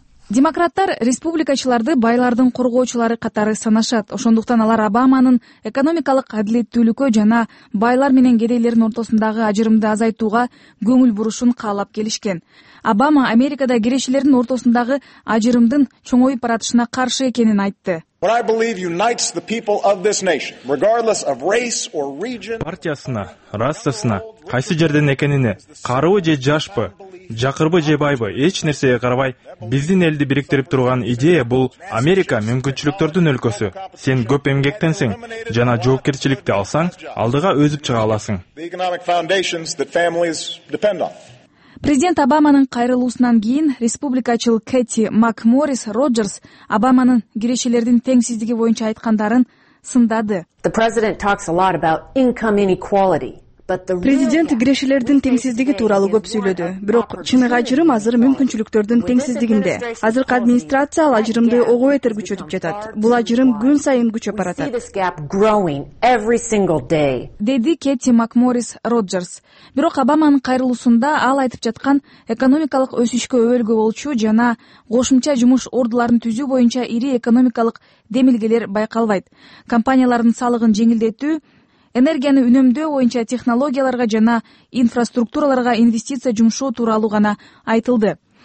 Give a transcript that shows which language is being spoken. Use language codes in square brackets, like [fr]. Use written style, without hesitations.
[ky] Демократтар республикачыларды байлардын коргоочулары катары санашат. Ошондуктан алар Обаманын экономикалык адилеттүүлүккө жана байлар менен кедейлердин ортосундагы ажырымды азайтууга көңүл бурушун каалап келишкен. Обама Америкада кирешелердин ортосундагы ажырымдын чоңоюп баратышына каршы экенин айтты. [en] What I believe unites the people of this nation, regardless of race or region. [ky] Партиясына, расасына, кайсы жерден экенине, карыбы же жашпы, жакырбы же байбы, эч нерсеге карабай, биздин элди бириктирип турган идея бул Америка мүмкүнчүлүктөрдүн өлкөсү. Сен көп эмгектенсең жана жоопкерчиликти алсаң, алдыга өзүп чыга аласың. Президент Обаманын кайрылуусунан кийин республикачыл Кэти Макморис Роджерс Обаманын кирешелердин теңсиздиги боюнча айткандарын сындады. [en] The president talks a lot about income inequality. [ky] Президент кирешелердин теңсиздиги тууралуу көп сүйлөдү. Бирок чыныгы ажырым азыр мүмкүнчүлүктөрдүн теңсиздигинде. Азыркы администрация ал ажырымды ого бетер күчөтүп жатат. Бул ажырым күн сайын күчөп баратат. Деди Кэти Макморис Роджерс. Бирок Обаманын кайрылуусунда ал айтып жаткан экономикалык өсүшкө өбөлгө болчу жана кошумча жумуш ордуларын түзүү боюнча ири экономикалык демилгелер байкалбайт. Компаниялардын салыгын жеңилдетүү, энергияны үнөмдөө боюнча технологияларга жана инфраструктураларга инвестиция жумшоо тууралуу гана айтылды.